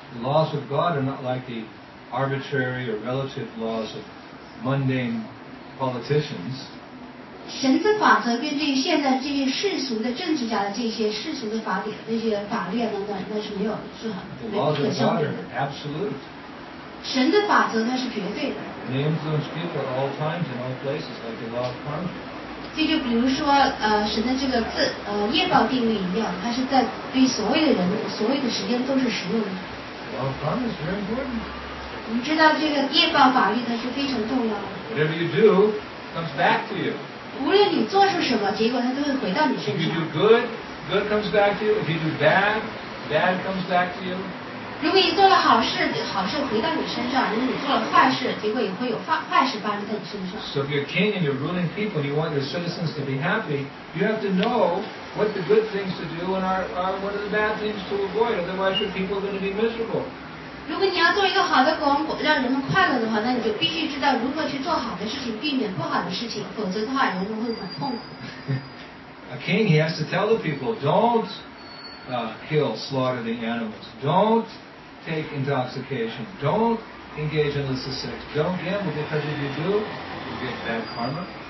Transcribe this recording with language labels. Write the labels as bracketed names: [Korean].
[English] ？The laws of God are not like the arbitrary or relative laws of mundane politicians. [Chinese] 神的法则跟这些现在这些世俗的政治家的这些世俗的法律那些法律等等，那是没有是很不可相比的。 [English] Absolute. [Chinese] 神的法则它是绝对的。 [English] They influence people at all times and all places like the law of karma. [Chinese] 这就比如说神的这个业报定律一样，它是在对所有的人所有的时间都是实用的。 [English] The law of karma is very important. [Chinese] 我们知道这个业报法律它是非常重要的。 [English] Whatever you do comes back to you. [Chinese] 无论你做出什么，结果它都会回到你身上。 [English] If you do good, good comes back to you. If you do bad, bad comes back to you. [Chinese] 如果你做了好事，好事回到你身上；如果你做了坏事，结果也会有坏事发生在你身上。 [English] So if you're king and you're ruling people, you want your citizens to be happy. You have to know what the good things to do and what are the bad things to avoid. Otherwise, your people are going to be miserable. [Chinese] 如果你要做一个好的国王，让人们快乐的话，那你就必须知道如何去做好的事情，避免不好的事情，否则的话，人们会很痛苦。 [English] A king, he has to tell the people, don't kill, slaughter the animals, don't take intoxication, don't engage in illicit sex, don't gamble, because if you do, you get bad karma.